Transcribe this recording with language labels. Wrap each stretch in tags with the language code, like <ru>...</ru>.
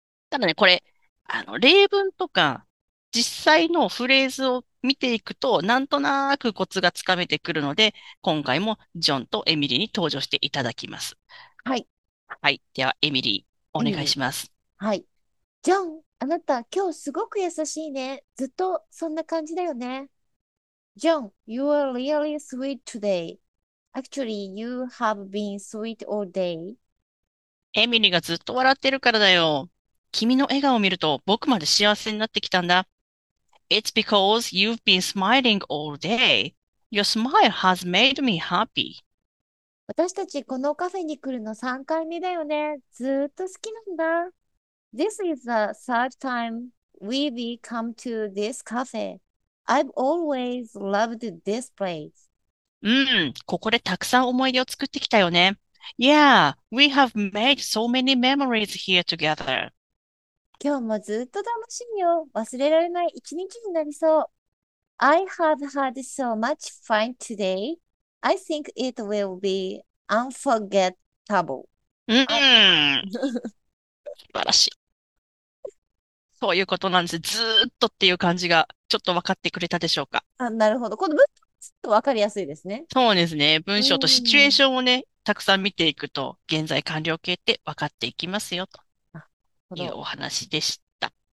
<ja>ただね、これ、あの、例文とか、実際のフレーズを見ていくと、なんとなーくコツがつかめてくるので、今回もジョンとエミリーに登場していただきます。はい。はい。では、エミリー、お願いします。はい。ジョン。あなた、今日すごく優しいね。ずっとそんな感じだよね。</ja> <en>John, you are really sweet today. Actually, you have been sweet all day.</en> <ja>エミリーがずっと笑ってるからだよ。君の笑顔を見ると僕まで幸せになってきたんだ。</ja> <en>It's because you've been smiling all day. Your smile has made me happy.</en> <ja>私たちこのカフェに来るの3回目だよね。ずっと好きなんだ。</ja> <en>This is the third time we've come to this cafe. I've always loved this place.</en> <ja>ここでたくさん思い出を作ってきたよね。</ja> <en>Yeah, we have made so many memories here together.</en> <ja>今日もずっと楽しみよ。忘れられない一日になりそう。</ja> <en>I have had so much fun today. I think it will be unforgettable.</en> <ja>素晴らしい。そういうことなんです。ずーっとっていう感じが、ちょっと分かってくれたでしょうか。あ、なるほど。この文章、ちょっと分かりやすいですね。そうですね。文章とシチュエーションをね、うん、たくさん見ていくと、現在完了形って分かっていきますよ、というお話でした。</ja>